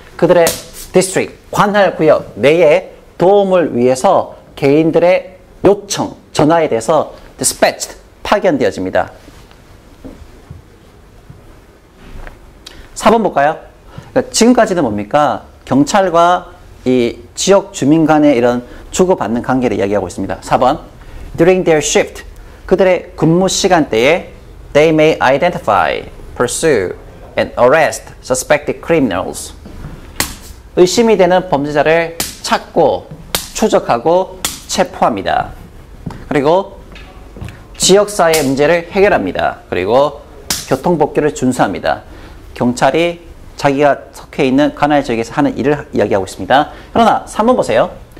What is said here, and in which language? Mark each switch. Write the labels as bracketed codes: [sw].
[ko] 그들의 district, 관할 구역 내에 도움을 위해서 개인들의 요청, 전화에 대해서 dispatched, 파견되어집니다. 4번 볼까요? 그러니까 지금까지는 뭡니까? 경찰과 이 지역 주민 간의 이런 주고받는 관계를 이야기하고 있습니다. [en] 4번, during their shift, [ko] 그들의 근무 시간대에 [en] they may identify, pursue, and arrest suspected criminals. [ko] 의심이 되는 범죄자를 찾고 추적하고 체포합니다. 그리고 지역사회 문제를 해결합니다. 그리고 교통법규를 준수합니다. 경찰이 자기가 속해 있는 관할 지역에서 하는 일을 이야기하고 있습니다. 그러나 3번 보세요.